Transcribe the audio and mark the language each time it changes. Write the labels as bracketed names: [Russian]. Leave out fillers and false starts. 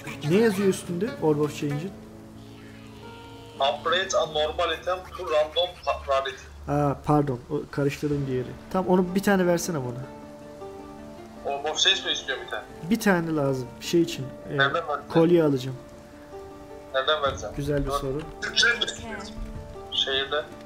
[Turkish] Ne yazıyor üstünde Orb of Change'in? [English] Upgrade a normal item to random rarity. [Turkish] Ha pardon, o karıştırdım diğeri. Tamam, onu bir tane versene bana. Orb of Change mi istiyor bir tane? Bir tane lazım, şey için. Nereden vereceğim? Kolye alacağım. Nereden vereceğim? Güzel bir soru. Güzel bir soru. Şehirde.